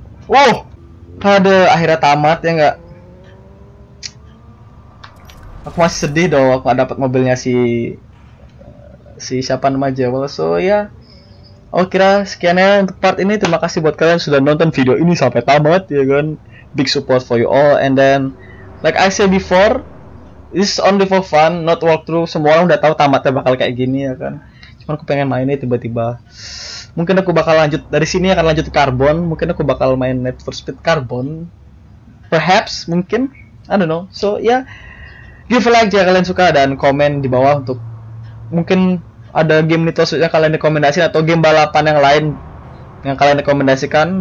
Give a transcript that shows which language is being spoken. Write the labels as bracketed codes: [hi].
[id] Wow, ada akhirnya tamat ya enggak. Aku masih sedih dong aku gak dapat mobilnya si siapa nama Jewel. [en] So ya yeah. [id] Oh, kira sekian ya untuk part ini. Terima kasih buat kalian sudah nonton video ini sampai tamat ya kan. [en] Big support for you all. And then like I said before, it's only for fun, not walkthrough. [id] Semua orang udah tahu tamatnya bakal kayak gini ya kan. Cuman aku pengen mainnya tiba-tiba. Mungkin aku bakal lanjut dari sini, akan lanjut Carbon. Mungkin aku bakal main Need for Speed Carbon. Perhaps, mungkin, [en] I don't know. So yeah, give a like [id] jika kalian suka dan komen di bawah untuk mungkin ada game Need for Speed yang kalian rekomendasikan atau game balapan yang lain yang kalian rekomendasikan.